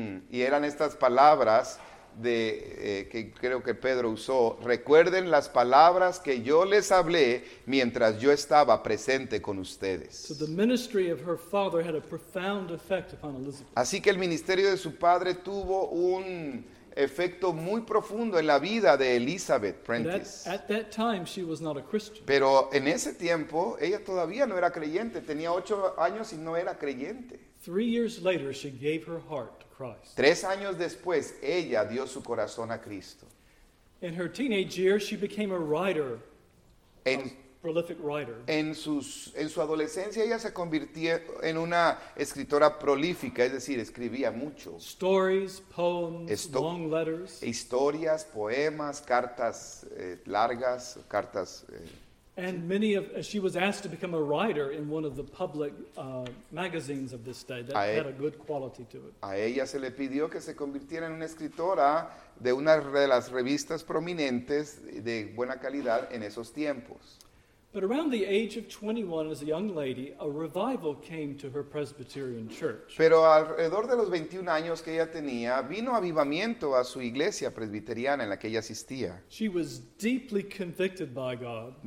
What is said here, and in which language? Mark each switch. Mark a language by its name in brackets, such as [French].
[Spanish] Y eran estas palabras de que creo que Pedro usó, "Recuerden las palabras que yo les hablé mientras yo estaba presente con ustedes." [English] So the ministry of her father had a profound effect upon Elizabeth. [Spanish] Así que el ministerio de su padre tuvo un efecto muy profundo en la vida de Elizabeth Prentice. [English] At that time she was not a Christian. [Spanish] Pero en ese tiempo ella todavía no era creyente, tenía 8 años y no era creyente. [English] 3 years later she gave her heart. [Spanish] 3 años después, ella dio su corazón a Cristo. [English] In her teenage years, she became a writer, a prolific writer. [Spanish] En su adolescencia, ella se convirtió en una escritora prolífica, es decir, escribía mucho. [English] Stories, poems, long letters. [Spanish] Historias, poemas, cartas largas, cartas. [English] And many of she was asked to become a writer in one of the public magazines of this day that had a good quality to it. [Spanish] A ella se le pidió que se convirtiera en una escritora de una de las revistas prominentes de buena calidad en esos tiempos. [English] But around the age of 21, as a young lady, a revival came to her Presbyterian church. [Spanish] Pero alrededor de los 21 años que ella tenía, vino avivamiento a su iglesia presbiteriana en la que ella asistía. [English] She was deeply convicted by God.